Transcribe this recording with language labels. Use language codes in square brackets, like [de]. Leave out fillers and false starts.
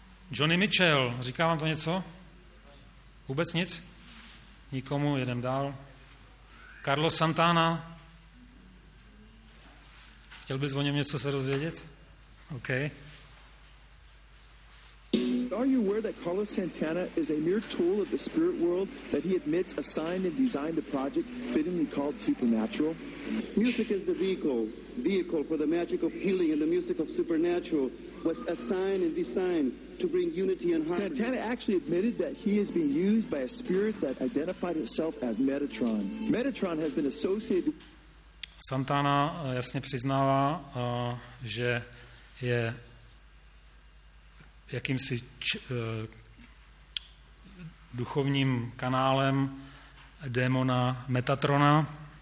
[cs] Johnny Mitchell, říká vám to něco? Vůbec nic? Nikomu, jedem dál. Carlos Santana? Chtěl bys o něm něco se rozvědět? OK. [en] Are you aware that Carlos Santana is a mere tool of the spirit world that he admits assigned and designed the project fittingly called Supernatural? Music is the vehicle for the magic of healing and the music of Supernatural was assigned and designed to bring unity and harmony. Santana actually admitted that he is being used by a spirit that identified itself as Metatron. Metatron has been associated... [cs] Santana jasně přiznává, že je jakýmsi duchovním kanálem démona Metatrona.